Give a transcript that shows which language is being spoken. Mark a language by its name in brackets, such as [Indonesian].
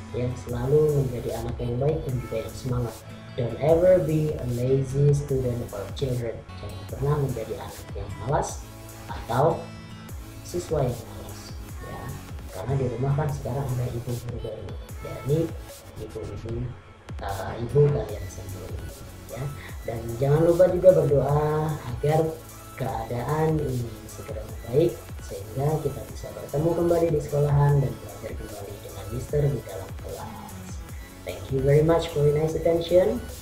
[Indonesian] Ya, selalu menjadi anak yang baik dan juga yang semangat. [English] Don't ever be a lazy student or children. [Indonesian] Jangan pernah menjadi anak yang malas atau siswa yang malas. Ya, karena di rumah kan sekarang ada ibu juga ini. Jadi ibu-ibu, ibu kalian sendiri. Ya, dan jangan lupa juga berdoa agar keadaan ini segera membaik sehingga kita bisa bertemu kembali di sekolahan dan belajar kembali dengan Mister di dalam kelas. [English] Thank you very much for your nice attention.